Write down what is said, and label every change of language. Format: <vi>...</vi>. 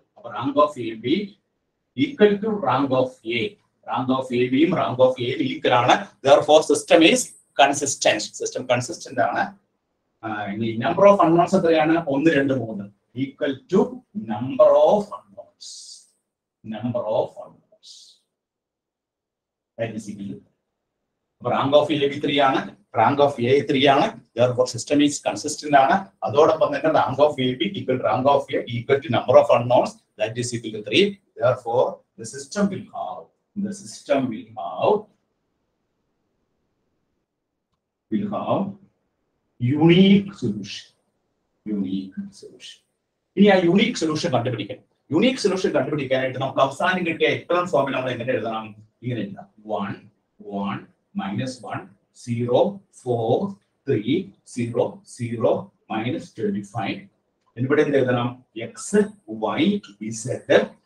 <en>അപ്പൊ rank of A B equal to rank of A, rank of A ബിയും rank of A equal ആണ്. Therefore system is consistent, system consistent ആണ്.</en> <ml>ഇനി</ml> <en>number of unknowns</en> <ml>എത്രയാണ്, ഒന്ന് രണ്ട് മൂന്ന്,</ml> <en>Equal to number of unknowns. number of polynomials. That is equal to rank of A3 ആണ്, rank of A3 ആണ്, therefore system is consistent ആണ്.</en> <ml>അതോടൊപ്പം തന്നെ</ml> <en>rank of AB equal to rank of A equal to number of unknowns, that is equal to 3. Therefore the system will have, the system will have, will have unique solution, unique solution.</en> <ml>ഇനി ആ unique solution കണ്ടുപിടിക്കാൻ, unique solution കണ്ടുപിടിക്കാനായിട്ട് നമുക്ക് അവസാനം കിട്ടിയ echelon formula നമ്മൾ എങ്ങനെ എഴുതണം? ഇങ്ങനെ എഴുതാം,</ml> <en>One one minus one zero four three zero zero minus twenty five.</en> <ml>എന്നിവിടെ എന്ത് എഴുതണം? X Y Z.</ml>